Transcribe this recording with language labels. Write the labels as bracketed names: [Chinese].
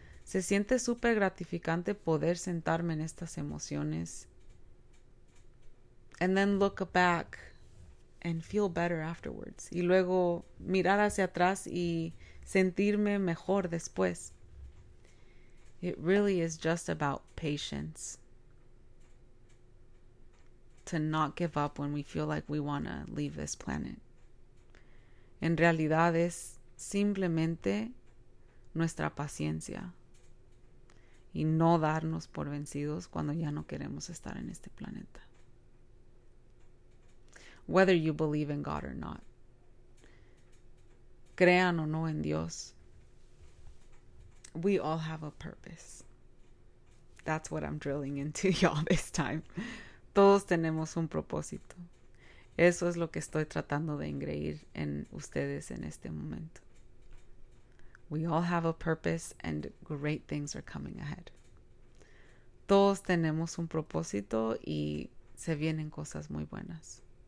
[Spanish] Se siente súper gratificante poder sentarme en estas emociones. [English] And then look back and feel better afterwards. [Spanish] Y luego mirar hacia atrás y sentirme mejor después. [English] It really is just about patience. To not give up when we feel like we want to leave this planet. [Spanish] En realidad es simplemente nuestra paciencia. Y no darnos por vencidos cuando ya no queremos estar en este planeta. [English] Whether you believe in God or not. [Spanish] Crean o no en Dios. [English] We all have a purpose. That's what I'm drilling into y'all this time. [Spanish] Todos tenemos un propósito. Eso es lo que estoy tratando de ingreír en ustedes en este momento. [English] We all have a purpose and great things are coming ahead. [Spanish] Todos tenemos un propósito y se vienen cosas muy buenas.